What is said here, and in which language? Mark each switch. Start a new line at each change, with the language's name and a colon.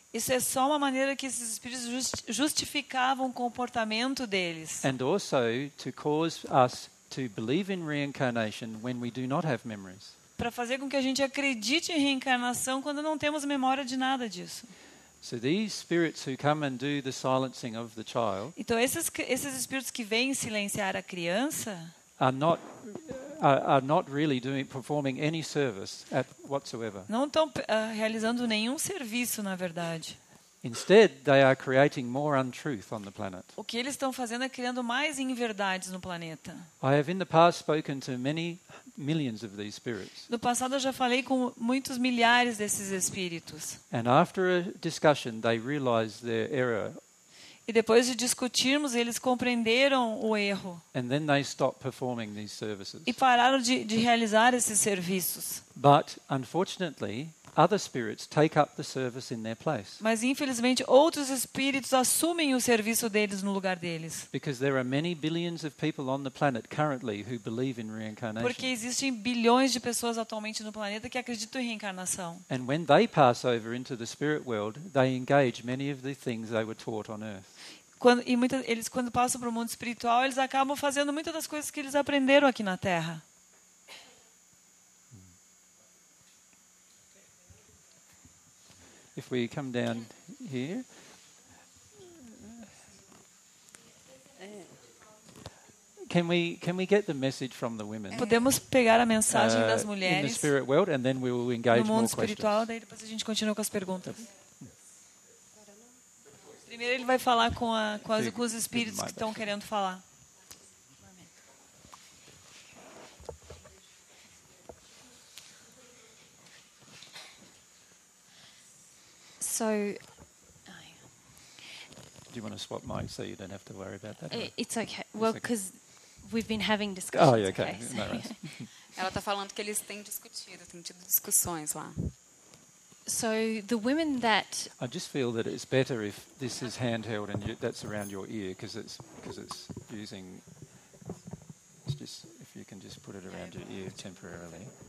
Portuguese: Isso é só uma maneira que esses espíritos justificavam o comportamento deles.
English: And also to cause us to believe in reincarnation when we do not have memories.
Portuguese: Para fazer com que a gente acredite em reencarnação quando não temos memória de nada disso.
English: So these spirits who come and do the silencing of the child.
Portuguese: Então esses espíritos que vêm silenciar a criança
English: are not really doing performing any service at whatsoever.
Portuguese: Não estão realizando nenhum serviço, na verdade.
English: Instead, they are creating more untruth on the planet.
Portuguese: O que eles estão fazendo é criando mais inverdades no planeta.
English: I have in the past spoken to many millions of these spirits.
Portuguese: No passado eu já falei com muitos milhares desses espíritos.
English: And after a discussion, they realize their error.
Portuguese: E depois de discutirmos, eles compreenderam o erro.
English: And then they stop performing these services.
Portuguese: E pararam de realizar esses serviços.
English: But unfortunately, other spirits take up the service in their place.
Portuguese: Mas infelizmente outros espíritos assumem o serviço deles no lugar deles.
English: Because there are many billions of people on the planet currently who believe in reincarnation.
Portuguese: Porque existem bilhões de pessoas atualmente no planeta que acreditam em reencarnação.
English: And when they pass over into the spirit world, they engage many of the things they were taught on earth.
Portuguese: Quando passam para o mundo espiritual, eles acabam fazendo muitas das coisas que eles aprenderam aqui na Terra.
English: If we come down here. Can we get the message from the women?
Portuguese: Podemos pegar a mensagem das mulheres.
English: In the spirit world, and then we will engage
Portuguese: no mundo
English: more
Portuguese: espiritual,
English: questions.
Portuguese: Daí depois a gente continua com as perguntas. Primeiro ele vai falar com os espíritos que estão querendo falar.
English: So, do you want to swap mics so you don't have to worry about that? It's okay. Well, because we've been having discussions. Oh, yeah, okay. No worries.
Portuguese: Ela está falando que eles têm discutido, têm tido discussões lá.
English: So the women that I just feel that it's better if this is handheld and that's around your ear because it's using. It's just if you can just put it around your ear temporarily.